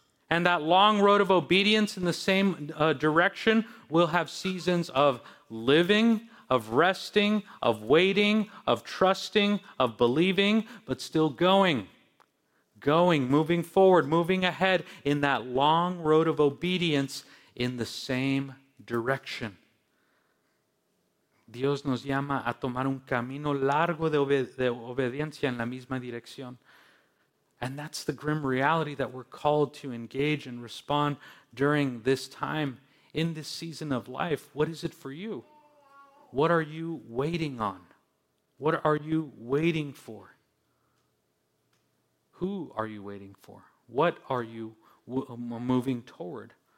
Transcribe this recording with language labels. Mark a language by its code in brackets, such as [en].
[en] And that long road of obedience in the same direction will have seasons of living, of resting, of waiting, of trusting, of believing, but still going, moving forward, moving ahead in that long road of obedience in the same direction. [es] Dios nos llama a tomar un camino largo de obediencia en la misma dirección. [en] And that's the grim reality that we're called to engage and respond during this time, in this season of life. What is it for you? What are you waiting on? What are you waiting for? Who are you waiting for? What are you moving toward?